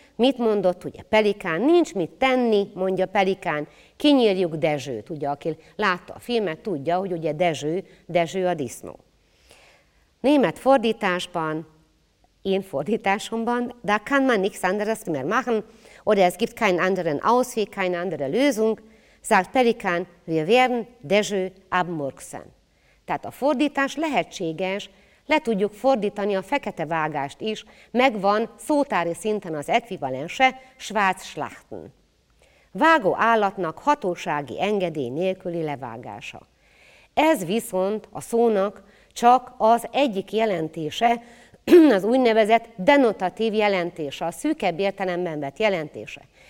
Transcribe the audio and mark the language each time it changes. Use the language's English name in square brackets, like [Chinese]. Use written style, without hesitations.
[Hungarian] Mit mondott ugye Pelikán? Nincs mit tenni, mondja Pelikán. Kinyírjuk Dezsőt, ugye, aki látta a filmet, tudja, hogy ugye Dezső a disznó. Német fordításban, én fordításomban, [German] da kann man nichts anderes mehr machen, oder es gibt keinen anderen Ausweg, keine andere Lösung, sagt Pelikán, wir werden Dezső abmurksen. [Hungarian] Tehát a fordítás lehetséges, le tudjuk fordítani a fekete vágást is, megvan szótári szinten az ekvivalense, Schwarzschlachten. Vágó állatnak hatósági engedély nélküli levágása. Ez viszont a szónak csak az egyik jelentése, az úgynevezett denotatív jelentése, a szűkebb értelemben vett jelentése.